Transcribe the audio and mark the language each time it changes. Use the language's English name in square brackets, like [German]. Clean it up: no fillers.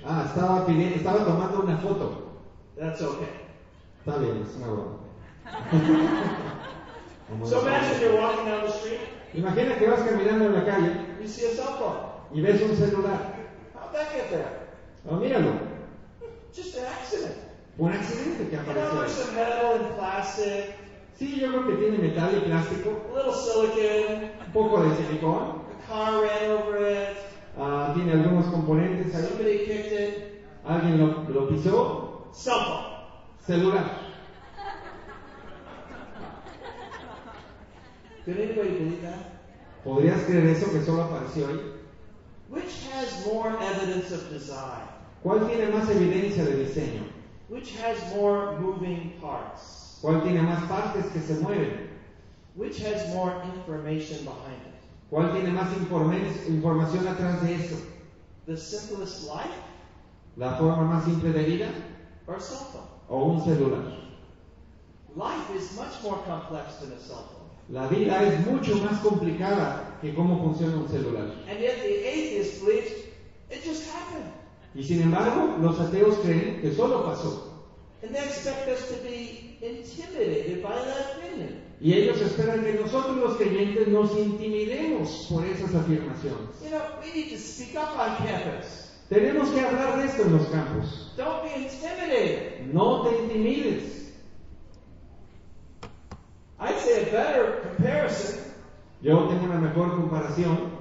[Spanish] Estaba tomando una foto. [English] That's okay. [Spanish] Está bien, es una broma. [English] So imagine you're walking down the street. [Spanish] Imagina que vas caminando en la calle. [English] You see a cell phone. [Spanish] Y ves un celular. [English] How'd that get there? [Spanish] Oh, míralo. [English] Just an accident. [Spanish] Un accidente que apareció. [English] You know, there's some metal and plastic. [Spanish] Sí, yo creo que tiene metal y plástico. [English] A little silicon. [Spanish] Un poco de silicón. [English] A car ran over it. [Spanish] Tiene algunos componentes ahí. [English] Somebody kicked it. [Spanish] Alguien lo pisó. Sopo. Celular. [English] ¿Can anybody believe that? [Spanish] ¿Podrías creer eso que solo apareció ahí? [English] Which has more evidence of design? [Spanish] ¿Cuál tiene más evidencia de diseño? [English] Which has more moving parts? [Spanish] ¿Cuál tiene más partes que se mueven? [English] Which has more information behind it? [Spanish] ¿Cuál tiene más información atrás de eso? [English] The simplest life? [Spanish] ¿La forma más simple de vida? [English] Or a cell phone? [Spanish] ¿O un celular? [English] Life is much more complex than a cell phone. [Spanish] La vida es mucho más complicada que cómo funciona un celular. [English] And yet the atheist believes it just happened. [Spanish] Y sin embargo, los ateos creen que solo pasó. [English] And they expect us to be intimidated by that opinion. [Spanish] Y ellos esperan que nosotros los creyentes nos intimidemos por esas afirmaciones. [English] You know, we need to speak up on campus. [Spanish] Tenemos que hablar de esto en los campos. [English] Don't be intimidated. [Spanish] No te intimides. [English] I'd say a better comparison. [Spanish] Yo tengo una mejor comparación.